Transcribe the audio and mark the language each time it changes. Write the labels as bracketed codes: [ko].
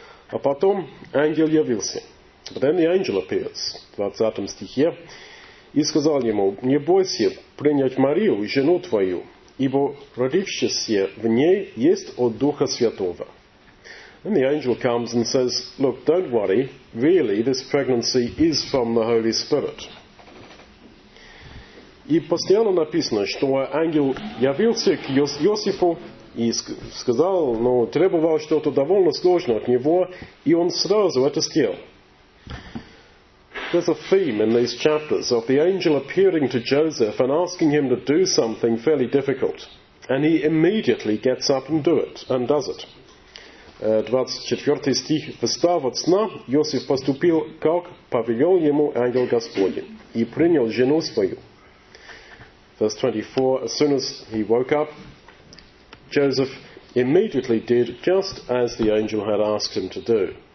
[ru] А потом ангел явился. [en] But then the angel appears, [ru] 20 стихе, и сказал ему, «Не бойся принять Марию, жену твою, ибо родившееся в ней есть от Духа Святого». [en] And the angel comes and says, «Look, don't worry, really, this pregnancy is from the Holy Spirit». [ru] И постоянно написано, что ангел явился к Иосифу и сказал, но требовал что-то довольно сложное от него, и он сразу это сделал. [en] There's a theme in these chapters of the angel appearing to Joseph and asking him to do something fairly difficult, and he immediately gets up and does it. [ru] 24 стих. Встав от сна, Иосиф поступил, как повелел ему ангел Господень, и принял жену свою. [en] Verse 24, as soon as he woke up, Joseph immediately did just as the angel had asked him to do.